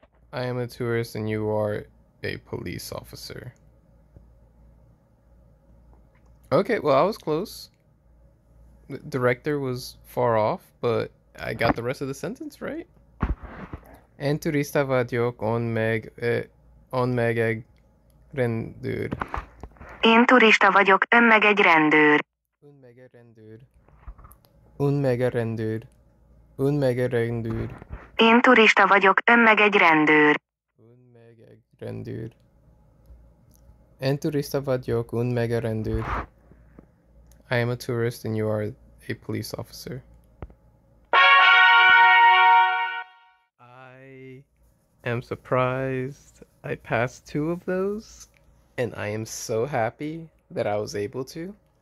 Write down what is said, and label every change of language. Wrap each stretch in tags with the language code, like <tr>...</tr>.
<en>I am a tourist and you are a police officer. Okay, well, I was close. The director was far off, but I got the rest of the sentence right.</en> <hu>En turista vagyok on meg egy rendőr. Én turista vagyok, ön meg egy rendőr. Un meg egy rendőr. Un meg egy rendőr. Un meg egy rendőr. Én turista vagyok, ön meg egy rendőr. Un meg egy rendőr. En turista vagyok, un meg egy rendőr.</hu> <en>I am a tourist and you are a police officer. I am surprised I passed two of those, and I am so happy that I was able to.</en>